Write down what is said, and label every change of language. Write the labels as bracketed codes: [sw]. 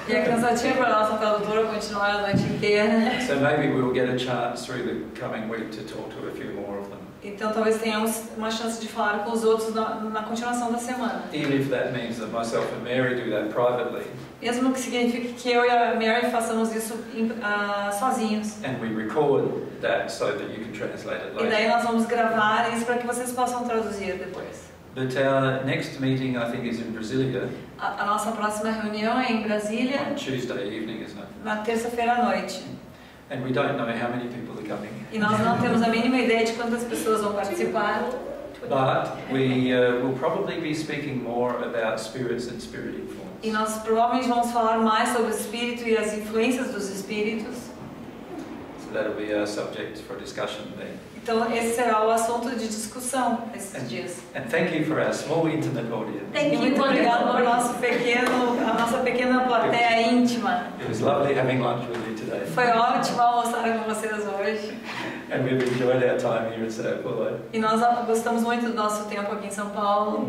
[pt] E cansativo para nossa tradutora continuar a noite inteira. [en] So maybe we'll get a chance through the coming week to talk to a few more of them. [pt] Então talvez tenhamos uma chance de falar com os outros na continuação da semana. [en] Even if that means that myself and Mary do that privately. [pt] Mesmo que signifique que eu e a Mary façamos isso sozinhos. [en] And we record that so that you can translate it later. [pt] E daí nós vamos gravar isso para que vocês possam traduzir depois. [en] But our next meeting, I think, is in Brasília. [pt] A nossa próxima reunião é em Brasília. [en] On Tuesday evening, isn't it? [pt] Na terça-feira à noite. [en] And we don't know how many people are coming. [pt] E nós não temos a mínima ideia de quantas pessoas vão participar. [en] But we will probably be speaking more about spirits and spirit influence. [pt] E nós provavelmente vamos falar mais sobre o espírito e as influências dos espíritos. [en] So that'll be our subject for discussion then. [pt] Então esse será o assunto de discussão esses dias. [en] And thank you for our small intimate audience. Thank you. [pt] Muito obrigado por a nossa pequena plateia íntima. [en] It was lovely having lunch with you today. [pt] Foi ótimo almoçar com vocês hoje. [en] And we've enjoyed our time here in São Paulo. [pt] E nós gostamos muito do nosso tempo aqui em São Paulo.